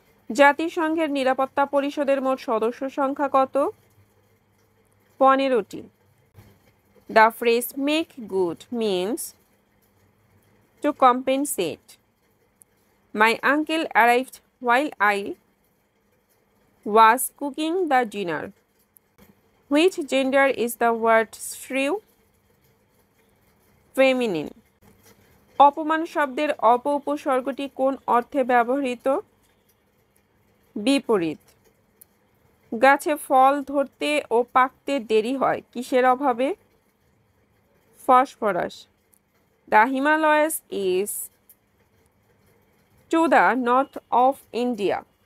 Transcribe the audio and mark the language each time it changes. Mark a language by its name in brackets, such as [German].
[Bangla] জাতিসংঘের নিরাপত্তা পরিষদের মোট সদস্য সংখ্যা কত 15টি [English] The phrase make good means to compensate my uncle arrived while I was cooking the dinner. Which gender is the word shrew? Feminine. [Bangla] অপমান শব্দের অপ উপসর্গটি কোন অর্থে ব্যবহৃত বিপরীত গাছে ফল ধরতে ও পাকতে দেরি হয় কিসের অভাবে phosphorus [English] the Himalayas is to the north of India